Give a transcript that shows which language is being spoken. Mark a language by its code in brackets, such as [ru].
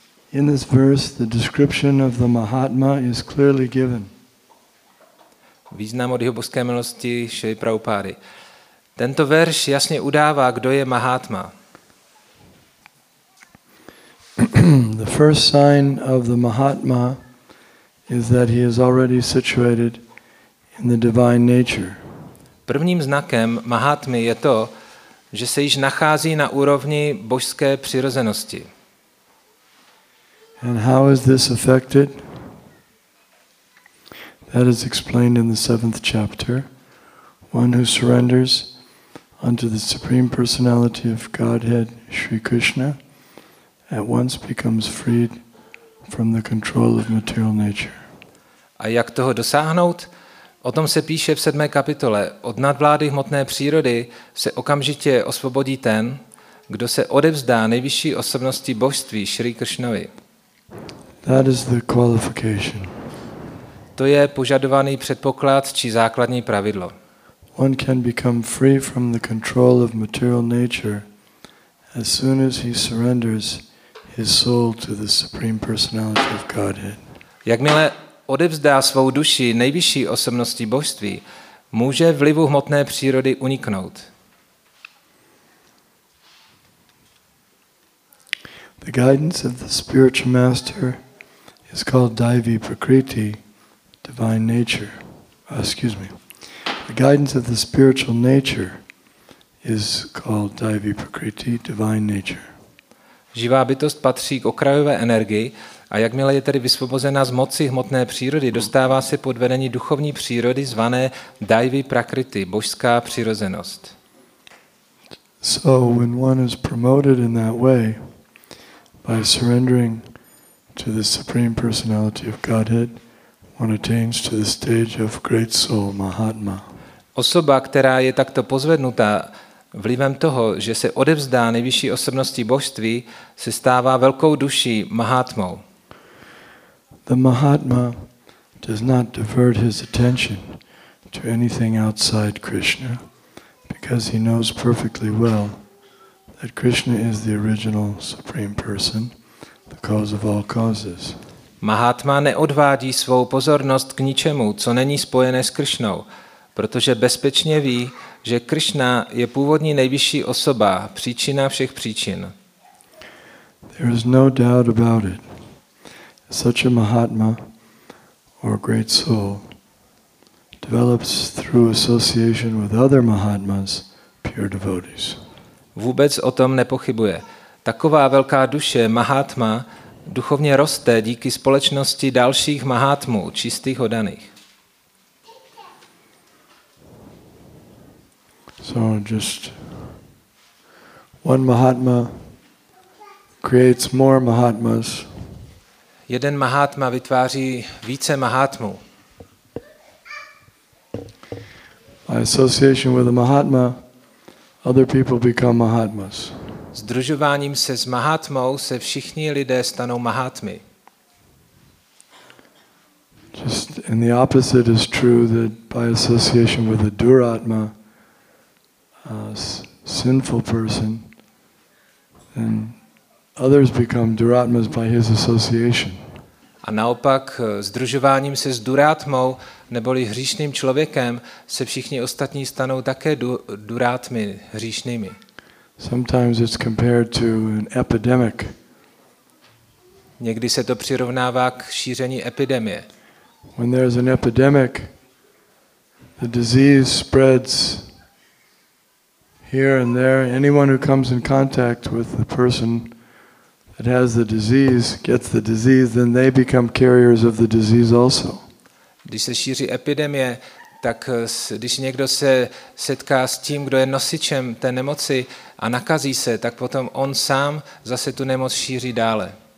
[en] In this verse, the description of the Mahatma is clearly given. [cs] Význam od jeho božské milosti Šri Prabhupády. Tento verš jasně udává, kdo je Mahatma. [en] The first sign of the Mahatma is that he is already situated in the divine nature. [cs] Prvním znakem Mahatmy je to, že se již nachází na úrovni božské přirozenosti. [en] And how is this affected? That is explained in the seventh chapter. One who surrenders unto the Supreme Personality of Godhead, Sri Krishna, at once becomes freed from the control of material nature. [cs] A jak toho dosáhnout? O tom se píše v 7. kapitole. Od nadvlády hmotné přírody se okamžitě osvobodí ten, kdo se odevzdá nejvyšší osobnosti božství Sri Krishnovi. [en] That is the qualification. [cs] To je požadovaný předpoklad či základní pravidlo. [en] One can become free from the control of material nature as soon as he surrenders his soul to the Supreme Personality of Godhead. [cs] Jakmile odevzdá svou duši nejvyšší osobnosti božství, může vlivu hmotné přírody uniknout. [en] The guidance of the spiritual master is called Daivi Prakriti, divine nature. The guidance of the spiritual nature is called Daivi Prakriti, divine nature. [cs] Živá bytost patří k okrajové energii a jakmile je tedy vysvobozena z moci hmotné přírody, dostává se pod vedení duchovní přírody zvané Daivi Prakriti, božská přirozenost. [en] So when one is promoted in that way by surrendering to the Supreme Personality of Godhead, one attains to the stage of great soul, Mahatma. [cs] Osoba, která je takto pozvednuta vlivem toho, že se odevzdá nejvyšší osobnosti božství, se stává velkou duší Mahatmou. [en] The Mahatma does not divert his attention to anything outside Krishna, because he knows perfectly well that Krishna is the original Supreme Person, the cause of all causes. [cs] Mahatma neodvádí svou pozornost k ničemu, co není spojené s Krishnou, protože bezpečně ví, že Krishna je původní nejvyšší osoba, příčina všech příčin. [en] There is no doubt about it. Such a Mahatma or great soul develops through association with other Mahatmas, pure devotees. [cs] Vůbec o tom nepochybuje. Taková velká duše, Mahatma, duchovně roste díky společnosti dalších Mahatmů, čistých oddaných. [en] So just one Mahatma creates more Mahatmas. [cs] Jeden Mahatma vytváří více Mahatmů. [en] By association with a Mahatma, other people become Mahatmas. [cs] Združováním se s Mahatmou se všichni lidé stanou Mahatmy. [en] Just in the opposite is true that by association with a Duratma, a sinful person, then others become Duratmas by his association. [cs] A naopak združováním se s Duratmou neboli hříšným člověkem se všichni ostatní stanou také durátmy, hříšnými. [en] Sometimes it's compared to an epidemic. [cs] Někdy se to přirovnává k šíření epidemie. [en] When there is an epidemic, the disease spreads here and there. Anyone who comes in contact with the person that has the disease gets the disease, then they become carriers of the disease also. [cs] Když se šíří epidemie, tak když někdo se setká s tím, kdo je nosičem té nemoci a nakazí se, tak potom on sám zase tu nemoc šíří dále.